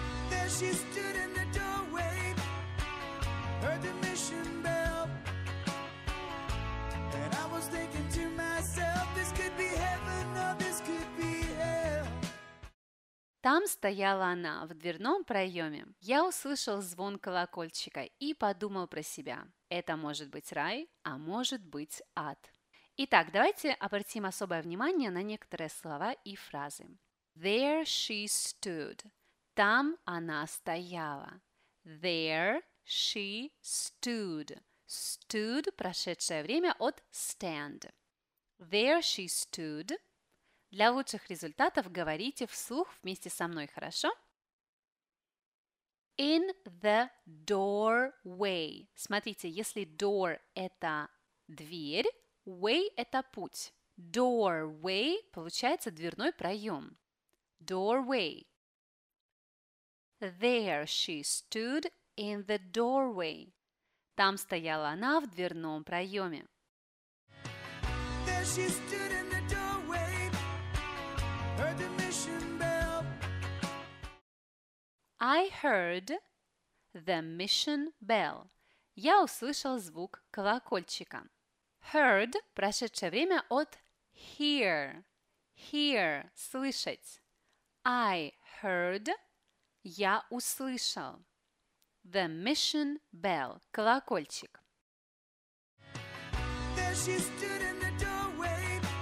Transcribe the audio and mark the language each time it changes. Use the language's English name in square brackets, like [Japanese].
[English] There she stood in the doorway, heard the mission bell, and I was thinking to myself, this could be heaven or this could be hell. [Russian] Там стояла она в дверном проеме. Я услышал звон колокольчика и подумал про себя. Это может быть рай, а может быть ад. Итак, давайте обратим особое внимание на некоторые слова и фразы. [English] There she stood. [Russian] Там она стояла. [English] There she stood. [Russian] Stood – прошедшее время от stand. [English] There she stood. [Russian] Для лучших результатов говорите вслух вместе со мной, хорошо? [English] In the doorway. [Russian] Смотрите, если door – это дверь, way – это путь. Doorway – получается дверной проем. [English] Doorway. There she stood in the doorway. [Russian] Там стояла она в дверном проеме. [English] There she stood in the doorway, heard the mission bell. I heard the mission bell. [Russian] Я услышал звук колокольчика. Heard – прошедшее время от hear. Hear – слышать. I heard – я услышал. [English] The mission bell – колокольчик. There she stood in the doorway,